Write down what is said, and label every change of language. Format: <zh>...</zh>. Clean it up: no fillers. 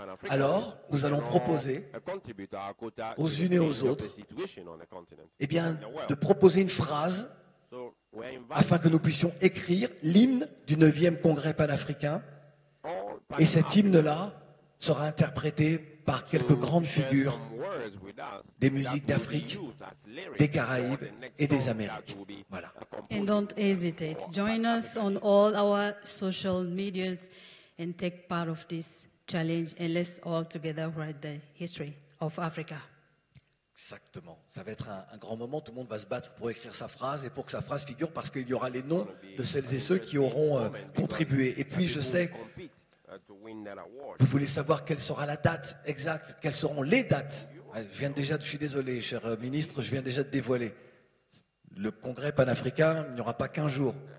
<fr>Alors, nous allons proposer aux unes et aux autres eh bien, de proposer une phrase afin que nous puissions écrire l'hymne du 9e congrès panafricain. Et cet hymne-là sera interprété par quelques grandes figures des musiques d'Afrique, des Caraïbes et des Amériques. Voilà.</fr> <en>And don't hesitate. Join us on all our social medias and take part of this challenge and let's all together write the history of Africa.</en> <fr>Exactement. Ça va être un grand moment. Tout le monde va se battre pour écrire sa phrase et pour que sa phrase figure parce qu'il y aura les noms de celles et ceux qui auront contribué. Et puis, je sais, vous voulez savoir quelle sera la date exacte, quelles seront les dates. Je suis désolé, cher ministre, je viens déjà de dévoiler. Le congrès panafricain, il n'y aura pas 15 jours.</fr>